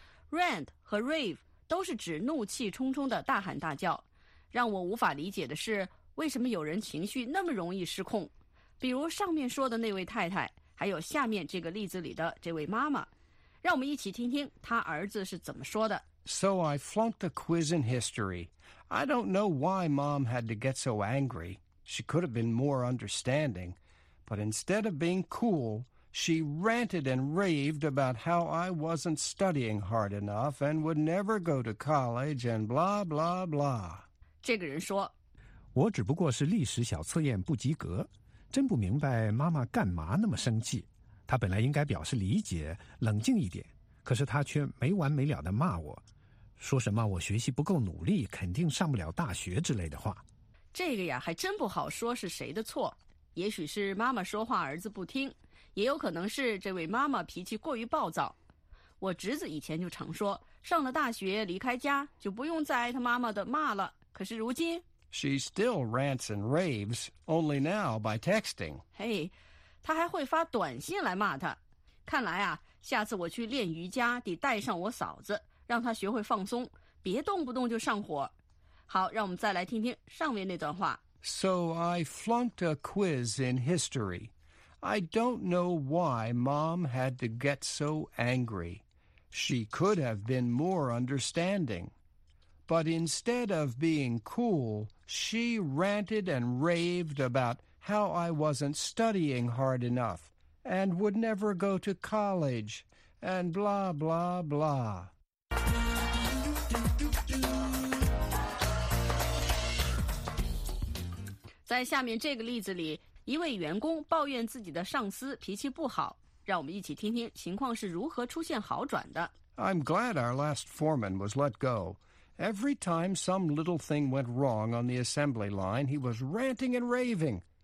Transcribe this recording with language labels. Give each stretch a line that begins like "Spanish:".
Chinese: Rant 和 rave 都是指怒气冲冲的大喊大叫。让我无法理解的是，为什么有人情绪那么容易失控？比如上面说的那位太太，还有下面这个例子里的这位妈妈。让我们一起听听她儿子是怎么说的。
English: So I flunked a quiz in history. I don't know why Mom had to get so angry. She could have been more understanding. But instead of being cool, she ranted and raved about how I wasn't studying hard enough and would never go to college and blah, blah, blah.
Chinese: 这个人说, 我只不过是历史小测验不及格, 真不明白妈妈干嘛那么生气。她本来应该表示理解, 冷静一点, 可是她却没完没了地骂我, 说什么我学习不够努力, 肯定上不了大学之类的话。这个呀还真不好说是谁的错, 也许是妈妈说话儿子不听, 也有可能是这位妈妈脾气过于暴躁。我侄子以前就常说, 上了大学离开家, 就不用再挨她妈妈的骂了, 可是如今,
English: She still rants and raves, only now by texting.
Chinese: Hey, 她还会发短信来骂她。看来啊, 下次我去练瑜伽, 得带上我嫂子, 让她学会放松, 别动不动就上火。好, 让我们再来听听上面那段话。
English: So I flunked a quiz in history. I don't know why Mom had to get so angry. She could have been more understanding. But instead of being cool, she ranted and raved about how I wasn't studying hard enough and would never go to college and blah, blah, blah.
Chinese: 在下面这个例子里, 一位员工抱怨自己的上司脾气不好,让我们一起听听情况是如何出现好转的。
English: I'm glad our last foreman was let go. Every time some little thing went wrong on the assembly line, he was ranting and raving.